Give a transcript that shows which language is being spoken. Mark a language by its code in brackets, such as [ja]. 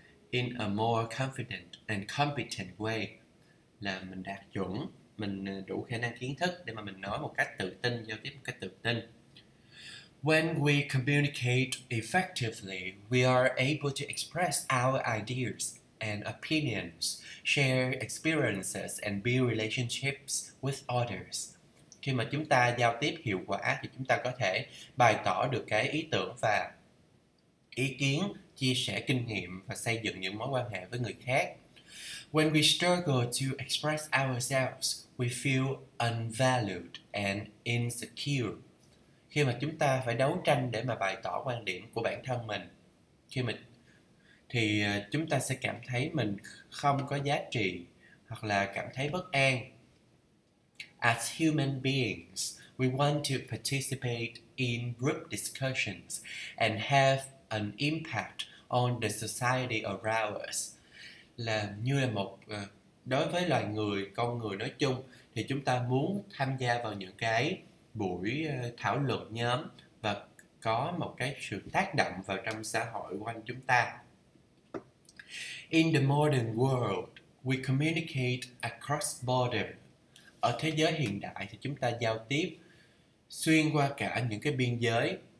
[en] In a more confident and competent way. [vi] Là mình đạt chuẩn, mình đủ khả năng kiến thức để mà mình nói một cách tự tin, giao tiếp một cách tự tin. [en] When we communicate effectively, we are able to express our ideas and opinions, share experiences and build relationships with others. [vi] Khi mà chúng ta giao tiếp hiệu quả thì chúng ta có thể bày tỏ được cái ý tưởng và ý kiến, chia sẻ kinh nghiệm và xây dựng những mối quan hệ với người khác. [en] When we struggle to express ourselves, we feel unvalued and insecure. [vi] Khi mà chúng ta phải đấu tranh để mà bày tỏ quan điểm của bản thân mình, khi mình thì chúng ta sẽ cảm thấy mình không có giá trị hoặc là cảm thấy bất an. [en] As human beings, we want to participate in group discussions and have an impact on the society around us. [vi] Là như là một đối với loài người, con người nói chung thì chúng ta muốn tham gia vào những cái buổi thảo luận nhóm và có một cái sự tác động vào trong xã hội quanh chúng ta. [en] In the modern world, we communicate across borders. [vi] Ở thế giới hiện đại thì chúng ta giao tiếp xuyên qua cả những cái biên giới.